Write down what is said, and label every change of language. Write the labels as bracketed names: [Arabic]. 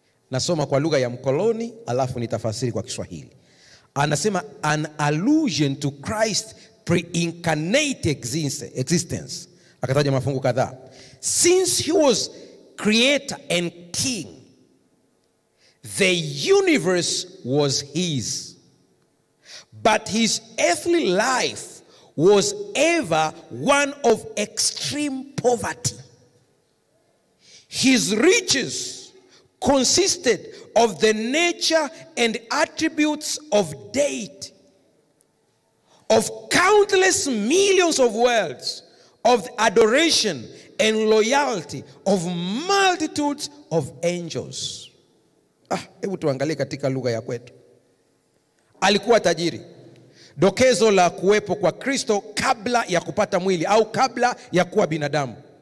[Swahili] Nasoma kwa lugha ya mkoloni, alafu nitafasiri kwa Kiswahili. Anasema [English] an allusion to Christ pre-incarnate existence. [Swahili] Akataja mafungu kadhaa. [English] Since he was creator and king, the universe was his. But his earthly life was ever one of extreme poverty. His riches consisted of the nature and attributes of deity, of countless millions of worlds, of adoration and loyalty, of multitudes of angels. [Swahili] Ah, hebu tuangalie katika lugha ya kwetu. Alikuwa tajiri. Dokezo la kuwepo kwa Kristo kabla ya kupata mwili au kabla ya kuwa binadamu.